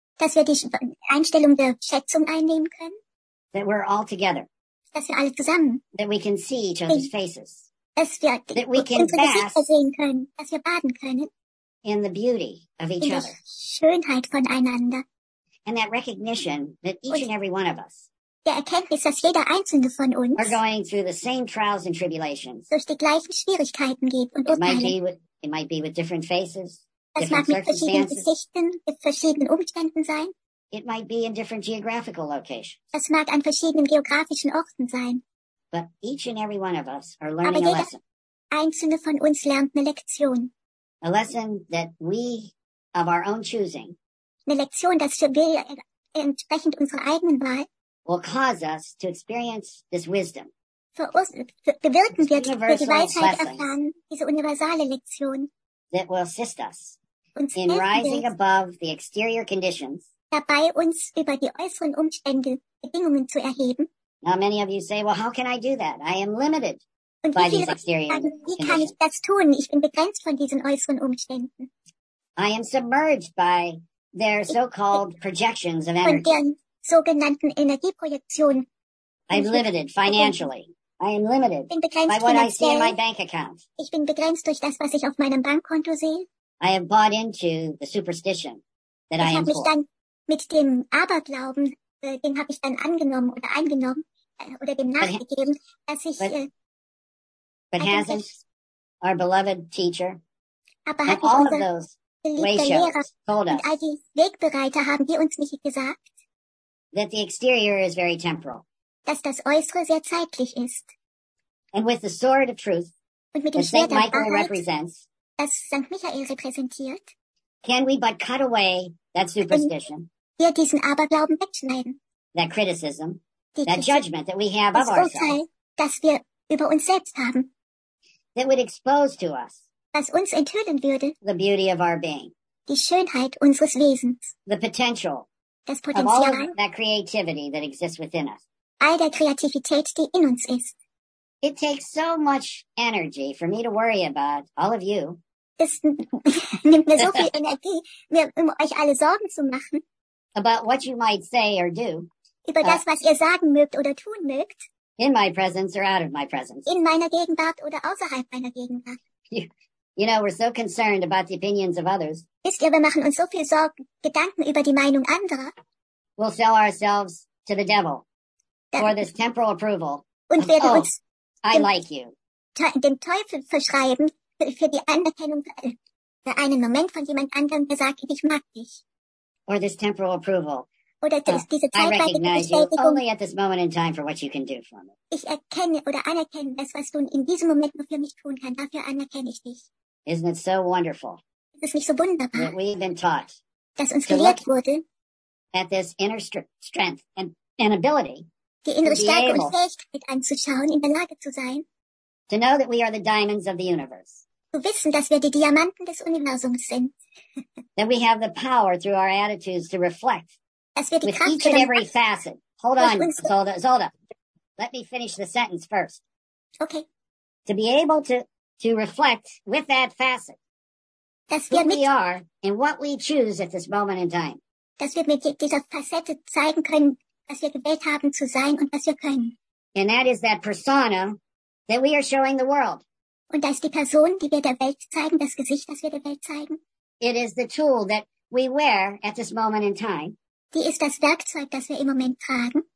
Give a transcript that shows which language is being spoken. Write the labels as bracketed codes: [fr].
[de] Dass wir die Einstellung der Schätzung einnehmen können. [en] That we're all together. [de] Dass wir alle zusammen. [en] That we can see each other's faces. [de] Dass wir [en] that we can [de] unsere Gesichter sehen können. Dass wir baden können. [en] In the beauty of each other. [de] In der Schönheit voneinander. [en] And that recognition that each and every one of us [de] der Erkenntnis, dass jeder Einzelne von uns [en] are going through the same trials and tribulations. [de] Durch die gleichen Schwierigkeiten geht und [en] it might be with different faces, [de] das [en] different [de] mag mit verschiedenen Gesichtern, mit verschiedenen Umständen sein. [en] It might be in different geographical locations. [de] Das mag an verschiedenen geografischen Orten sein. [en] But each and every one of us are learning [de] aber jeder [en] a lesson. [de] Einzelne von uns lernt eine Lektion. [en] A lesson that we, of our own choosing, [de] eine Lektion, dass wir entsprechend unserer eigenen Wahl [en] will cause us to experience this wisdom. [de] für uns bewirken wird, die Weisheit erfahren, diese universale Lektion, [en] that will assist us in rising above the exterior conditions, [de] dabei uns über die äußeren Umstände, Bedingungen zu erheben. [en] Now many of you say, well, how can I do that? I am limited by these exterior conditions. [de] Wie kann ich das tun? Ich bin begrenzt von diesen äußeren Umständen. [en] I am submerged by their so-called projections of energy. [de] Von deren sogenannten Energieprojektionen. [en] I'm limited financially. I am limited by what I see in my bank account. [de] Ich bin begrenzt durch das, was ich auf meinem Bankkonto sehe. [en] I have bought into the superstition that I am poor. [de] Ich habe mich dann mit dem Aberglauben, den habe ich dann angenommen oder eingenommen oder dem nachgegeben, dass ich... [en] But hasn't our beloved teacher [de] aber [en] and all of those wayshows told us [de] und all die Wegbereiter haben die uns nicht gesagt, [en] that the exterior is very temporal. [de] Dass das Äußere sehr zeitlich ist. [en] And with the sword of truth [de] und mit dem [en] that St. Michael [de] Wahrheit, [en] represents, [de] das St. Michael repräsentiert, [en] can we but cut away that superstition, [de] wir diesen Aberglauben wegschneiden, [en] that criticism, that judgment that we have [de] das [en] of ourselves, [de] Urteil, das wir über uns selbst haben, [en] that would expose to us, [de] das uns enthüllen würde, [en] the beauty of our being, [de] die Schönheit unseres Wesens, [en] the potential, [de] das Potenzial, [en] of all that creativity that exists within us, [de] all der Kreativität, die in uns ist. [en] It takes so much energy for me to worry about all of you. [de] Es nimmt mir so viel Energie, mir um euch alle Sorgen zu machen. [en] About what you might say or do. [de] Über das, was ihr sagen mögt oder tun mögt. [en] In my presence or out of my presence. [de] In meiner Gegenwart oder außerhalb meiner Gegenwart. [en] You know, we're so concerned about the opinions of others. [de] Wisst ihr, wir machen uns so viel Sorgen, Gedanken über die Meinung anderer. [en] We'll sell ourselves to the devil for this temporal approval. [de] Und [en] of, [de] werden uns [en] I like you. [de] Dem Teufel verschreiben für die Anerkennung für einen Moment von jemand anderem, der sagt, ich mag dich. [en] Or this temporal approval. [de] Oder diese zeitweilige Bestätigung. [en] Only at this moment in time for what you can do for me. [de] Ich erkenne oder anerkenne das, was du in diesem Moment nur für mich tun kannst. Dafür anerkenne ich dich. [en] Isn't it so wonderful? [de] Ist es nicht so wunderbar? [en] That we've been taught. [de] Dass uns gelehrt wurde. [en] At this inner strength and ability. [de] Die innere Stärke und Fähigkeit anzuschauen, in der Lage zu sein. [en] To know that we are the diamonds of the universe. [de] Zu wissen, dass wir die Diamanten des Universums sind. [en] That we have the power through our attitudes to reflect. [de] Dass wir die [en] with [de] Kraft [en] each and every facet. Hold on, Zolda. Let me finish the sentence first. Okay. To be able to reflect with that facet. [de] Dass [en] who [de] wir [en] we are and what we choose at this moment in time. [de] Dass wir mit dieser Facette zeigen können, was wir gewählt haben zu sein und was wir können. [en] And that is that persona that we are showing the world. [de] Und das ist die Person, die wir der Welt zeigen, das Gesicht, das wir der Welt zeigen. [en] It is the tool that we wear at this moment in time. [de] Die ist das Werkzeug, das wir im Moment tragen.